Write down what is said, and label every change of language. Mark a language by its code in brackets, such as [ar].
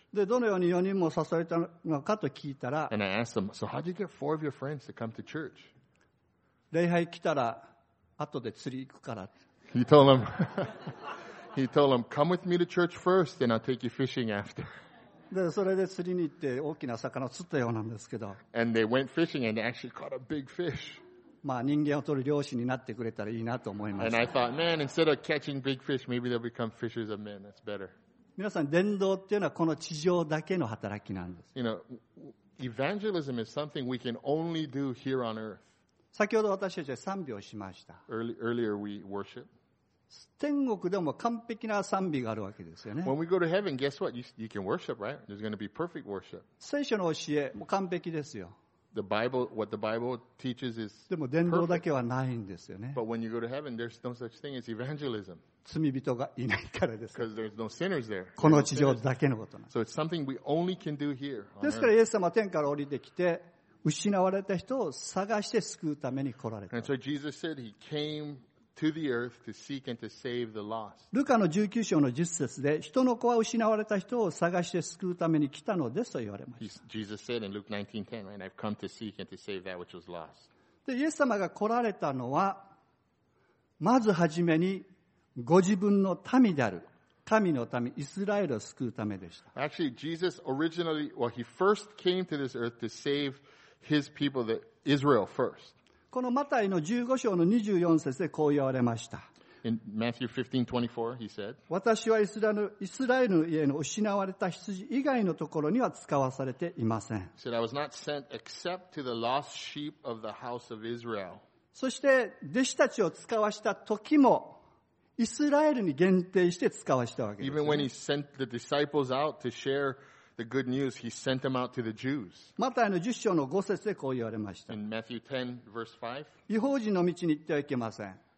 [ja] で、どのように4人も誘われたのかと聞いたら、 [en] And I asked them, so how did you get four of your friends to come to church? [ja] 礼拝来たら、後で釣り行くから。 [en] He told them, he told them, come with me to church first, and I'll take you fishing after. [ja] で、それで釣りに行って大きな魚を釣ったようなんですけど。 [en] And they went fishing and they actually caught a big fish. [ja] まあ、人間を取る漁師になってくれたらいいなと思いました。 [en] And I thought, man, instead of catching big fish, maybe they'll become fishers of men. That's better. [ja] 皆さん、伝道っていうのはこの地上だけの働きなんです。 [en] You know, evangelism is something we can only do here on earth. [ja] 先ほど私たちは賛美をしました。 [en] Earlier we worship. [ja] 天国でも完璧な賛美があるわけですよね。 [en] When we go to heaven, guess what? You can worship, right? There's going to be perfect worship. [ja] 聖書の教えも完璧ですよ。 [en] The Bible, what the Bible teaches is [ja] でも伝道だけはないんですよね。 [en] But when you go to heaven, there's no such thing as evangelism. [ja] 罪人がいないからです。 [en] Because there's no sinners there. [ja] この地上だけのことなんです。 [en] So it's something we only can do here. [ja] ですからイエス様は天から降りてきて、失われた人を探して救うために来られた。 [en] And so Jesus said he came to the earth to seek and to save the lost. [ja] ルカの19章の10節で、人の子は失われた人を探して救うために来たのですと言われました。 [en] Jesus said in Luke 19:10, right? I've come to seek and to save that which was lost. [ja] で、イエス様が来られたのは、まずはじめにご自分の民である。神のため、イスラエルを救うためでした。 [en] Actually, Jesus originally, well, he first came to this earth to save his people, the Israel first. [ja] このマタイの15章の24節でこう言われました。 [en] In Matthew 15:24, he said, [ja] 私はイスラエルの家の失われた羊以外のところには使わされていません。 [en] He said, I was not sent except to the lost sheep of the house of Israel. [ja] そして、弟子たちを使わした時も、イスラエルに限定して使わしたわけです。 [en] Even when he sent the disciples out to share the good news, he sent them out to the Jews. [ja] マタイの10章の5節でこう言われました。 [en] In Matthew 10, verse 5, [ja] 異邦人の道に行ってはいけません。